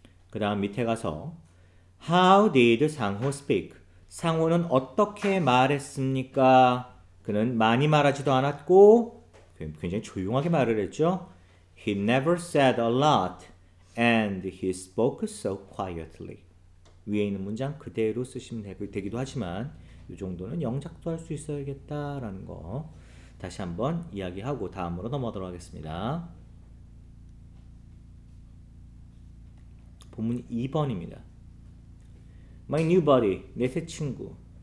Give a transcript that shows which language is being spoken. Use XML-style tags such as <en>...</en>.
<ko>그 다음 밑에 가서</ko> <en>How did 상호 speak?</en> <ko>상호는 어떻게 말했습니까? 그는 많이 말하지도 않았고 굉장히 조용하게 말을 했죠.</ko> <en>He never said a lot and he spoke so quietly.</en> <ko>위에 있는 문장 그대로 쓰시면 되기도 하지만 이 정도는 영작도 할수 있어야겠다라는 거 다시 한번 이야기하고 다음으로 넘어가도록 하겠습니다.</ko> <en>본문 2번입니다. My new buddy,</en> <ko>내새 친구.</ko>